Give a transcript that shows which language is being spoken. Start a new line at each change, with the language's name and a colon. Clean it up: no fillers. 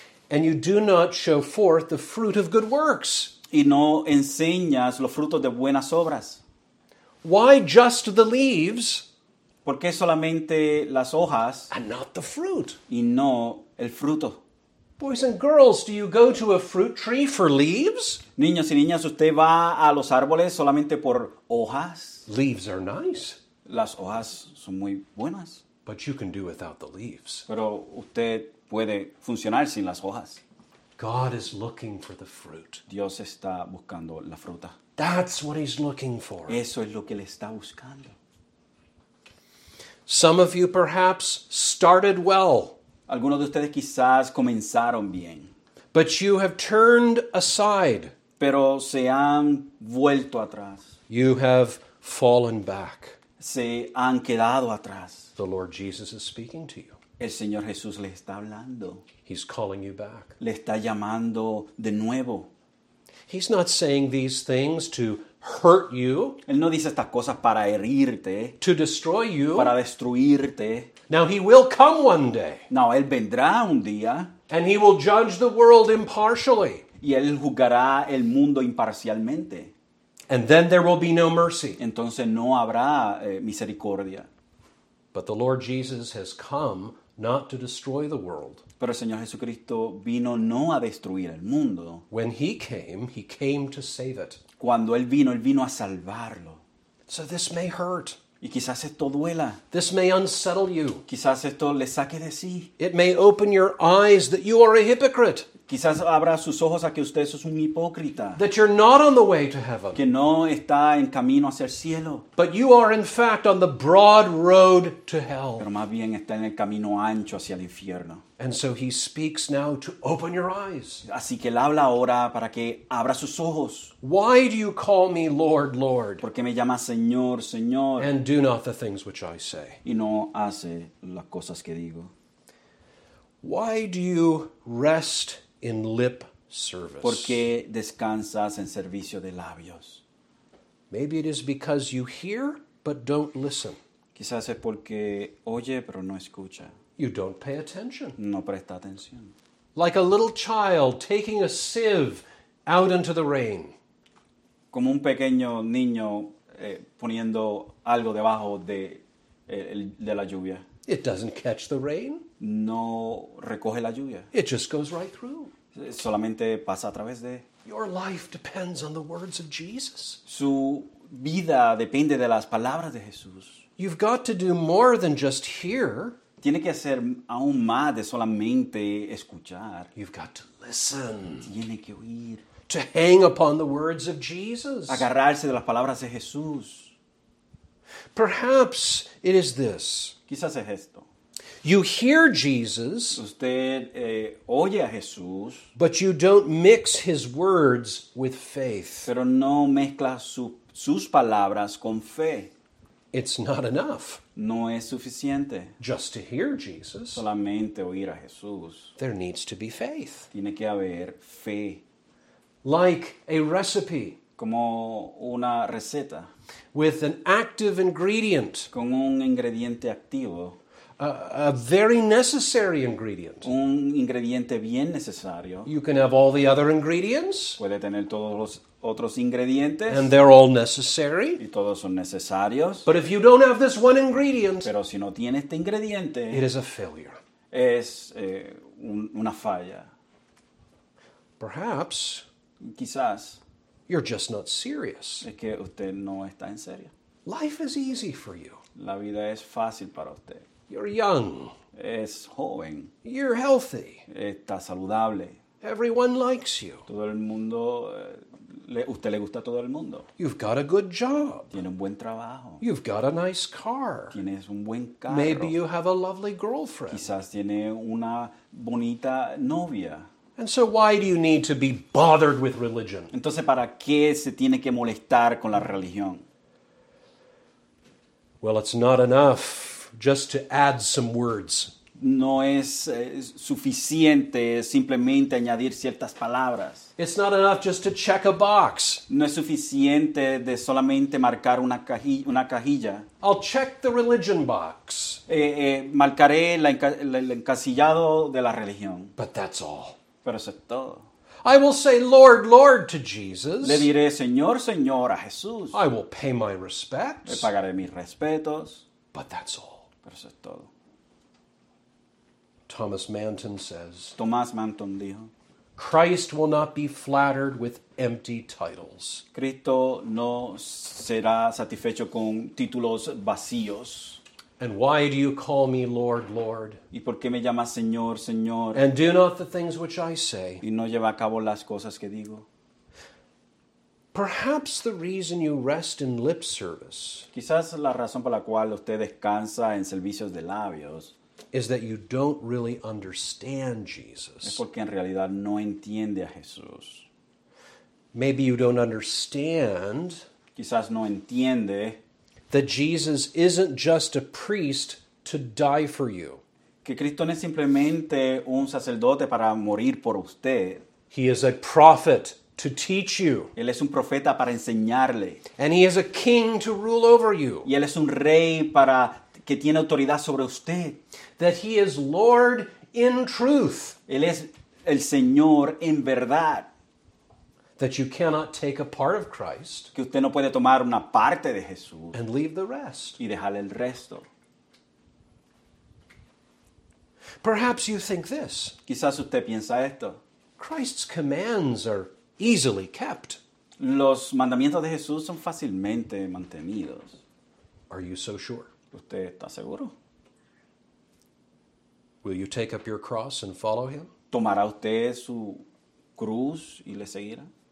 English: And you do not show forth the fruit of good works.
Spanish: Y no enseñas los frutos de buenas obras.
English: Why just the leaves?
Spanish: ¿Por qué solamente las hojas?
English: And not the fruit.
Spanish: Y no el fruto.
English: Boys and girls, do you go to a fruit tree for leaves?
Spanish: Niños y niñas, ¿usted va a los árboles solamente por hojas?
English: Leaves are nice.
Spanish: Las hojas son muy buenas.
English: But you can do without the leaves.
Spanish: Pero usted puede funcionar sin las hojas.
English: God is looking for the fruit.
Spanish: Dios está buscando la fruta.
English: That's what he's looking for.
Spanish: Eso es lo que él está buscando.
English: Some of you perhaps started well.
Spanish: Algunos de ustedes quizás comenzaron bien.
English: But you have turned aside.
Spanish: Pero se han vuelto atrás.
English: You have fallen back.
Spanish: Se han quedado atrás.
English: The Lord Jesus is speaking to you.
Spanish: El Señor Jesús les está hablando.
English: He's calling you back.
Spanish: Le está llamando de nuevo.
English: He's not saying these things to hurt you.
Spanish: Él no dice estas cosas para herirte.
English: To destroy you.
Spanish: Para destruirte.
English: Now he will come one day.
Spanish: No, él vendrá un día.
English: And he will judge the world impartially.
Spanish: Y él juzgará el mundo imparcialmente.
English: And then there will be no mercy.
Spanish: Entonces no habrá misericordia.
English: But the Lord Jesus has come not to destroy the world.
Spanish: Pero el Señor Jesucristo vino no a destruir el mundo.
English: When he came to save it.
Spanish: Cuando él vino a salvarlo.
English: So this may hurt.
Spanish: Y quizás esto duela.
English: This may unsettle you.
Spanish: Quizás esto le saque de sí.
English: It may open your eyes that you are a hypocrite.
Spanish: Quizás abra sus ojos a que usted es un hipócrita.
English: That you're not on the way to heaven.
Spanish: Que no está en camino hacia el cielo.
English: But you are in fact on the broad road to hell.
Spanish: Pero más bien está en el camino ancho hacia el infierno.
English: And so he speaks now to open your eyes.
Spanish: Así que él habla ahora para que abra sus ojos.
English: Why do you call me Lord, Lord?
Spanish: ¿Por qué me llamas Señor, Señor?
English: And do not the things which I say.
Spanish: Y no hace las cosas que digo.
English: Why do you rest in lip service?
Spanish: Porque descansas en servicio de labios.
English: Maybe it is because you hear but don't listen.
Spanish: Quizás es porque oye pero no escucha.
English: You don't pay attention.
Spanish: No presta atención.
English: Like a little child taking a sieve out into the rain.
Spanish: Como un pequeño niño poniendo algo debajo de la lluvia.
English: It doesn't catch the rain.
Spanish: No recoge la lluvia.
English: It just goes right through.
Spanish: Solamente pasa a través de.
English: Your life depends on the words of Jesus.
Spanish: Su vida depende de las palabras de Jesús.
English: You've got to do more than just hear.
Spanish: Tiene que hacer aún más de solamente escuchar.
English: You've got to listen.
Spanish: Tiene que oír.
English: To hang upon the words of Jesus.
Spanish: Agarrarse de las palabras de Jesús.
English: Perhaps it is this.
Spanish: Quizás es esto.
English: You hear Jesus,
Spanish: usted, oye a Jesús,
English: but you don't mix his words with faith.
Spanish: Pero no mezcla sus palabras con fe.
English: It's not enough.
Spanish: No es suficiente.
English: Just to hear Jesus.
Spanish: Solamente oír a Jesús.
English: There needs to be faith.
Spanish: Tiene que haber fe.
English: Like a recipe.
Spanish: Como una receta.
English: With an active ingredient.
Spanish: Con un ingrediente activo.
English: A very necessary ingredient.
Spanish: Un ingrediente bien necesario.
English: You can have all the other ingredients.
Spanish: Puede tener todos los otros ingredientes.
English: And they're all necessary.
Spanish: Y todos son necesarios.
English: But if you don't have this one ingredient.
Spanish: Pero si no tiene este ingrediente.
English: It is a failure.
Spanish: Es una falla.
English: Perhaps.
Spanish: Quizás.
English: You're just not serious.
Spanish: Es que usted no está en serio.
English: Life is easy for you.
Spanish: La vida es fácil para usted.
English: You're young.
Spanish: Es joven.
English: You're healthy.
Spanish: Está saludable.
English: Everyone likes you.
Spanish: Todo el mundo, usted le gusta a todo el mundo.
English: You've got a good job.
Spanish: Tiene un buen trabajo.
English: You've got a nice car.
Spanish: Tienes un buen carro.
English: Maybe you have a lovely girlfriend.
Spanish: Quizás tiene una bonita novia.
English: And so why do you need to be bothered with religion?
Spanish: Entonces, ¿para qué se tiene que molestar con la religión?
English: Well, it's not enough. Just to add some words.
Spanish: No es suficiente simplemente añadir ciertas palabras.
English: It's not enough just to check a box.
Spanish: No es suficiente de solamente marcar una cajilla.
English: I'll check the religion box.
Spanish: Marcaré el encasillado de la religión.
English: But that's all.
Spanish: Pero eso es todo.
English: I will say, Lord, Lord, to Jesus.
Spanish: Le diré, Señor, Señor, a Jesús.
English: I will pay my respects.
Spanish: Le pagaré mis respetos.
English: But that's all.
Spanish: Pero eso es todo.
English: Thomas Manton says,
Spanish: Tomás Manton dijo,
English: Christ will not be flattered with empty titles.
Spanish: Cristo no será satisfecho con títulos vacíos.
English: And why do you call me Lord, Lord?
Spanish: ¿Y por qué me llamas Señor, Señor?
English: And do not the things which I say.
Spanish: Y no lleva a cabo las cosas que digo.
English: Perhaps the reason you rest in lip service.
Spanish: Quizás la razón por la cual usted descansa en servicios de labios
English: is that you don't really understand Jesus.
Spanish: Es porque en realidad no entiende a Jesús.
English: Maybe you don't understand.
Spanish: Quizás no entiende
English: that Jesus isn't just a priest to die for you.
Spanish: Que Cristo no es simplemente un sacerdote para morir por usted.
English: He is a prophet to teach you.
Spanish: Él es un profeta para enseñarle.
English: And he is a king to rule over you.
Spanish: Y él es un rey para que tiene autoridad sobre usted.
English: That he is Lord in truth.
Spanish: Él es el Señor en verdad.
English: That you cannot take a part of Christ.
Spanish: Que usted no puede tomar una parte de Jesús.
English: And leave the rest.
Spanish: Y dejar el resto.
English: Perhaps you think this.
Spanish: Quizás usted piensa esto.
English: Christ's commands are easily kept.
Spanish: Los mandamientos de Jesús son fácilmente mantenidos.
English: Are you so sure?
Spanish: ¿Usted está seguro?
English: Will you take up your cross and follow him?
Spanish: ¿Tomará usted su cruz y le seguirá?